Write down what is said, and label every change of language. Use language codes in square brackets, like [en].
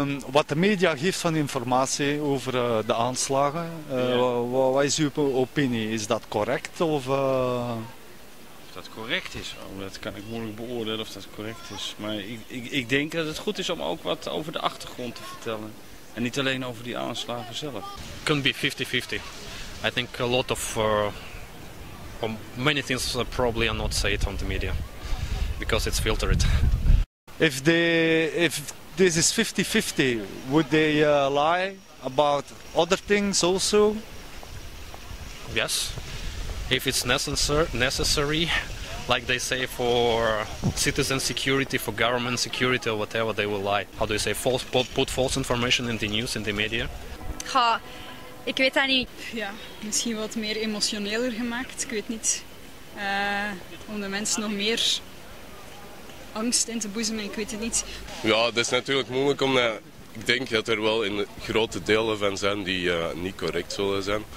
[nl] Wat de media geeft van informatie over de aanslagen, wat is uw opinie? Is dat correct? Of dat correct is, dat kan ik moeilijk beoordelen of dat correct is. Maar ik denk dat het goed is om ook wat over de achtergrond te vertellen. En niet alleen over die aanslagen zelf. [en] It can be 50-50. I think a lot of many things probably are not said on the media. Because it's filtered. If this is 50-50, would they lie about other things also? yes. If it's necessary, like they say, for citizen security, for government security or whatever, they will lie. How do you say, put false information in the news, in the media? [nl] Ha, ik weet dat niet. Ja, misschien wat meer emotioneler gemaakt, ik weet niet. Om de mensen nog meer angst in te boezemen, ik weet het niet. Ja, dat is natuurlijk moeilijk omdat ik denk dat er wel in grote delen van zijn die niet correct zullen zijn.